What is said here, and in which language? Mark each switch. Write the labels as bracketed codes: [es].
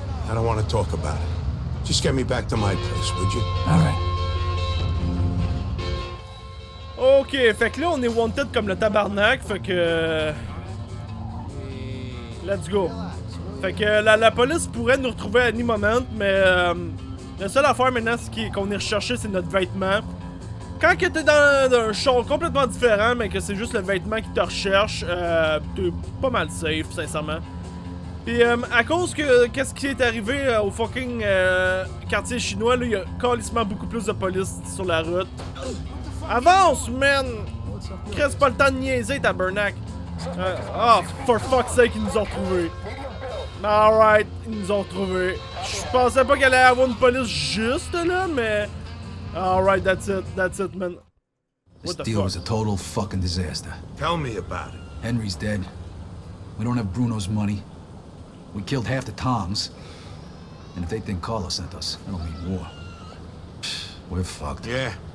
[en] I don't want to talk about it. Just get me back to my place, would you? Alright. [fr] Ok, fait que là, on est wanted comme le tabarnak, fait que... [en] Let's go. [fr] Fait que la police pourrait nous retrouver à any moment, mais... la seule affaire maintenant, c'est qu'on est recherché, c'est notre vêtement. Quand que t'es dans un show complètement différent, mais que c'est juste le vêtement qui te recherche, t'es pas mal safe, sincèrement. Pis à cause que qu'est-ce qui est arrivé au fucking quartier chinois, là, il y a carrément beaucoup plus de police sur la route. [en] Avance, man! [fr] Reste pas le temps de niaiser, tabarnak. [en] Oh, for fuck's sake, [fr] ils nous ont retrouvés. Alright, ils nous ont retrouvés. Je pensais pas qu'elle allait avoir une police juste là, mais... [en] Alright, that's it, man. This deal was a total fucking disaster. Tell me about it. Henry's dead. We don't have Bruno's money. We killed half the Toms. And if they think Carlo sent us, it'll mean war. We're fucked. Yeah.